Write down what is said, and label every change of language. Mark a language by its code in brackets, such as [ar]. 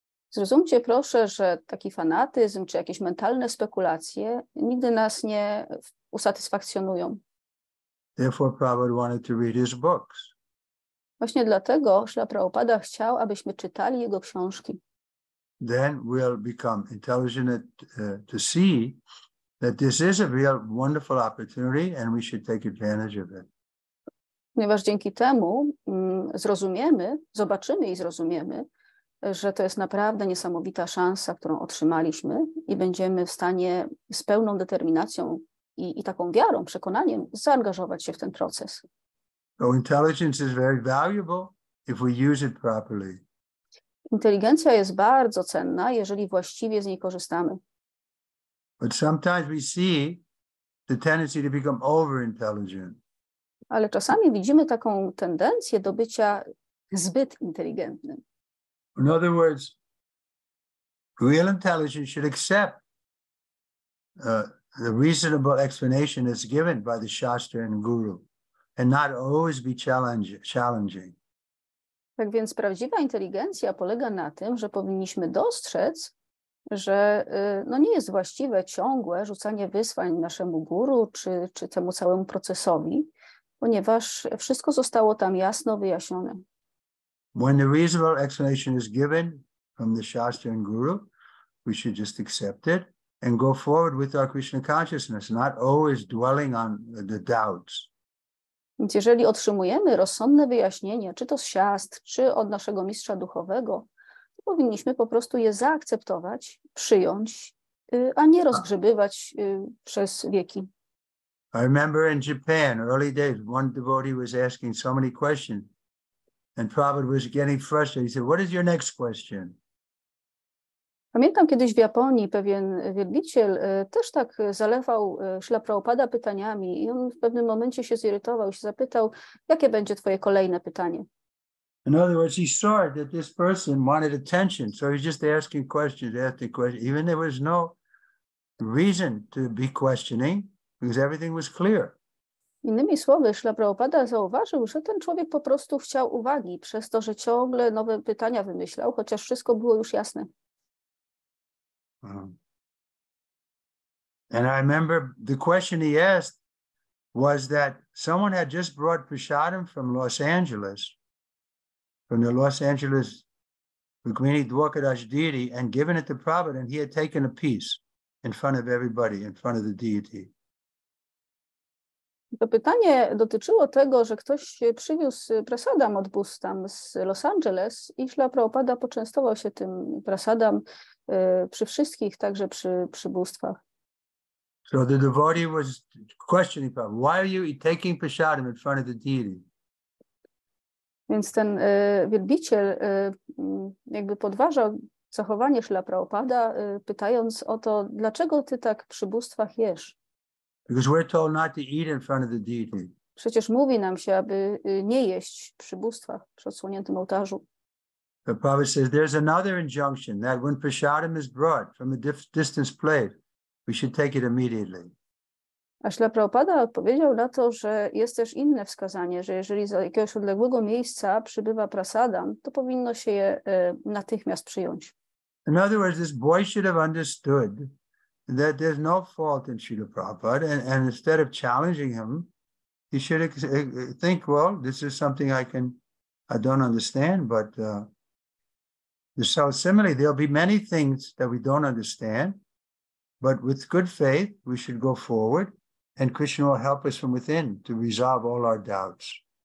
[pl] Zrozumcie proszę, że taki fanatyzm czy jakieś mentalne spekulacje nigdy nas nie usatysfakcjonują. [en] Therefore, Prabhupada wanted to read his books. [pl] Właśnie dlatego Śla Prabhupada chciał, abyśmy czytali jego książki. [en] Then we'll become intelligent to see that this is a real wonderful opportunity and we should take advantage of it. [pl] Ponieważ dzięki temu zrozumiemy, zobaczymy i zrozumiemy, że to jest naprawdę niesamowita szansa, którą otrzymaliśmy i będziemy w stanie z pełną determinacją i taką wiarą, przekonaniem zaangażować się w ten proces. [en] So intelligence is very valuable if we use it properly. [pl] Inteligencja jest bardzo cenna, jeżeli właściwie z niej korzystamy. [en] But sometimes we see the tendency to become over-intelligent. [pl] Ale czasami widzimy taką tendencję do bycia zbyt inteligentnym. [en] In other words, real intelligence should accept the reasonable explanation that's given by the Shastra and Guru and not always be challenging. [pl] Tak więc prawdziwa inteligencja polega na tym, że powinniśmy dostrzec, że no nie jest właściwe ciągłe rzucanie wyzwań naszemu guru czy temu całemu procesowi, ponieważ wszystko zostało tam jasno wyjaśnione. [en] When the reasonable explanation is given from the Shastra and Guru, we should just accept it and go forward with our Krishna consciousness, not always dwelling on the doubts. [pl] Więc jeżeli otrzymujemy rozsądne wyjaśnienie, czy to z siast, czy od naszego mistrza duchowego, to powinniśmy po prostu je zaakceptować, przyjąć, a nie rozgrzebywać przez wieki. [en] I remember in Japan, early days, one devotee was asking so many questions and Prabhupada was getting frustrated. He said, what is your next question? [pl] Pamiętam kiedyś w Japonii pewien wielbiciel też tak zalewał Śla Prabhupada pytaniami i on w pewnym momencie się zirytował i się zapytał, jakie będzie twoje kolejne pytanie. [en] In other words, he saw that this person wanted attention, so he's just asking questions, even there was no reason to be questioning, because everything was clear. [pl] Innymi słowy, Śla Prabhupada zauważył, że ten człowiek po prostu chciał uwagi przez to, że ciągle nowe pytania wymyślał, chociaż wszystko było już jasne. [en] And I remember the question he asked was that someone had just brought prasadam from Los Angeles, from the Los Angeles Rukmini Dwarkadash deity, and given it to Prabhupada, and he had taken a piece in front of everybody, in front of the deity. [pl] To pytanie dotyczyło tego, że ktoś przywiózł prasadam od Bustam z Los Angeles i Śla Prabhupada poczęstował się tym prasadam przy wszystkich, także przy bóstwach. [en] So the devotee was questioning Prabhupada, why are you taking prasadam in front of the deity? [pl] Więc ten wielbiciel jakby podważał zachowanie Śla Prabhupada, pytając o to, dlaczego ty tak przy bóstwach jesz? [en] Because we're told not to eat in front of the deity. [pl] Przecież mówi nam się, aby nie jeść przy bóstwach, przy odsłoniętym ołtarzu. [en] The Prabhupada says there's another injunction that when prasadam is brought from a distance plate, we should take it immediately. [pl] A Śla Prabhupada odpowiedział na to, że jest też inne wskazanie, że jeżeli z jakiegoś odległego miejsca przybywa prasadam, to powinno się je natychmiast przyjąć. [en] In other words, this boy should have understood that there's no fault in Śrīla Prabhupāda, and instead of challenging him, he should think, well, this is something I don't understand, but so similarly, there'll be many things that we don't understand, but with good faith, we should go forward, and Krishna will help us from within to resolve all our doubts.